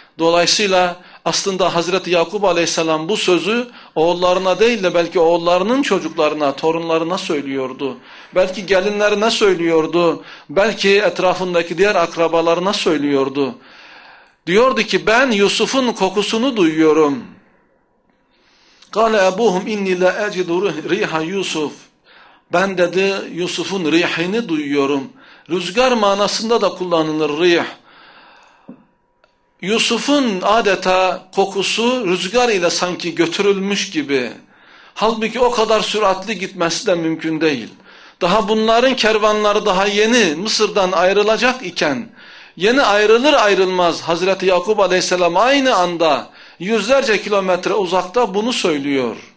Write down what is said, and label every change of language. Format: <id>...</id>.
<tr>Dolayısıyla aslında Hazreti Yakup Aleyhisselam bu sözü oğullarına değil de belki oğullarının çocuklarına, torunlarına söylüyordu. Belki gelinlerine söylüyordu. Belki etrafındaki diğer akrabalarına söylüyordu. Diyordu ki ben Yusuf'un kokusunu duyuyorum.</tr> <ar>قَالَ اَبُوهُمْ اِنِّي لَا اَجِدُ رِيْحَ يُوسُفْ,</ar> <tr>ben dedi Yusuf'un rihini duyuyorum. Rüzgar manasında da kullanılır rih. Yusuf'un adeta kokusu rüzgar ile sanki götürülmüş gibi. Halbuki o kadar süratli gitmesi de mümkün değil. Daha bunların kervanları daha yeni Mısır'dan ayrılacak iken, yeni ayrılır ayrılmaz Hazreti Yakup Aleyhisselam aynı anda yüzlerce kilometre uzakta bunu söylüyor.</tr>